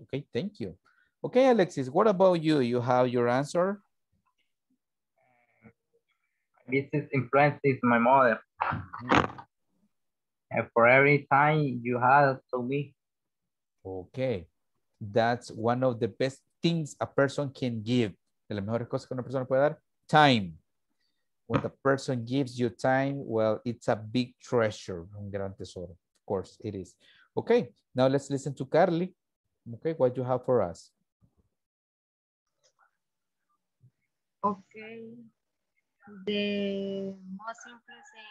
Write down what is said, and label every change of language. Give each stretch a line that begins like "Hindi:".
English: Okay, thank you. Okay, Alexis, what about you? You have your answer? This is influences my mother. Mm-hmm. And for every time you have to me. Okay. That's one of the best things a person can give.
Spanish: De las mejores cosas que una persona puede dar, time.
English: When the person gives you time, well, it's a big treasure.
Spanish: Un gran tesoro.
English: Of course, it is. Okay. Now let's listen to Carly. Okay. What do you have for us? Okay. The most influence